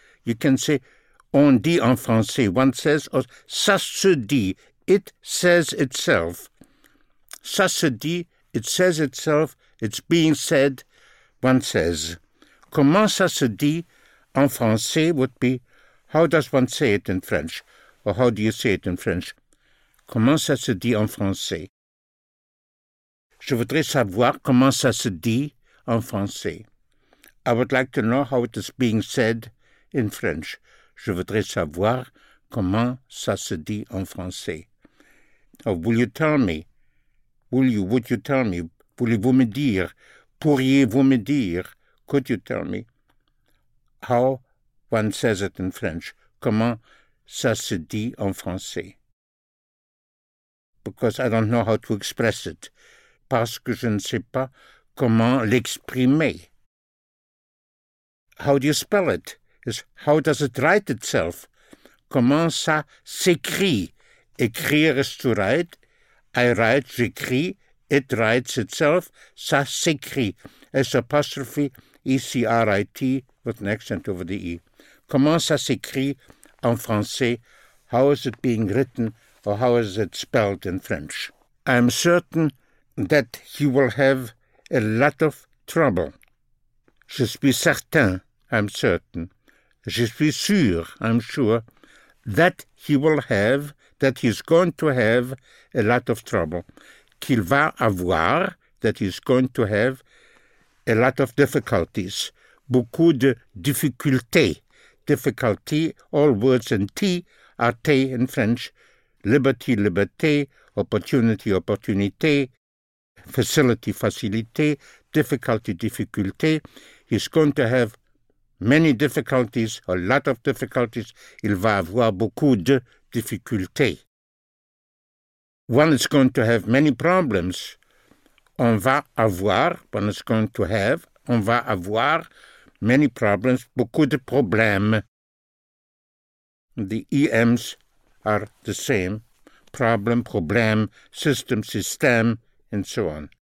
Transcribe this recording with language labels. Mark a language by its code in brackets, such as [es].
[en] You can say, [fr] on dit en français, [en] one says, or [fr] ça se dit, [en] it says itself. [fr] Ça se dit, [en] it says itself, it's being said, one says. [fr] Comment ça se dit en français [en] would be, how does one say it in French? Or how do you say it in French? [fr] Comment ça se dit en français? Je voudrais savoir comment ça se dit en français. [en] I would like to know how it is being said in French. [fr] Je voudrais savoir comment ça se dit en français. [en] Or will you tell me? Will you, would you tell me? [fr] Voulez-vous me dire? Pourriez-vous me dire? [en] Could you tell me? How one says it in French. [fr] Comment ça se dit en français? [en] Because I don't know how to express it. [fr] Parce que je ne sais pas comment l'exprimer. [en] How do you spell it? Is how does it write itself? [fr] Comment ça s'écrit? Écrire [en] is to write. I write, [fr] j'écris. [en] It writes itself. [fr] Ça s'écrit. [en] S apostrophe E-C-R-I-T with an accent over the E. [fr] Comment ça s'écrit en français? [en] How is it being written or how is it spelled in French? I am certain that he will have a lot of trouble. [fr] Je suis certain, [en] I'm certain. [fr] Je suis sûr, [en] I'm sure, that he will have, that he's going to have a lot of trouble. [fr] Qu'il va avoir, [en] that he's going to have a lot of difficulties. [fr] Beaucoup de difficultés. [en] Difficulty, all words in T are T in French. Liberty, liberté. Opportunity, opportunité. Facility, facilité. Difficulty, difficulté. He's going to have many difficulties, a lot of difficulties. [fr] Il va avoir beaucoup de difficultés. [en] One is going to have many problems. [fr] On va avoir, [en] one is going to have, [fr] on va avoir [en] many problems, [fr] beaucoup de problèmes. [en] The EMs are the same. Problem, problème, system, système, and so on.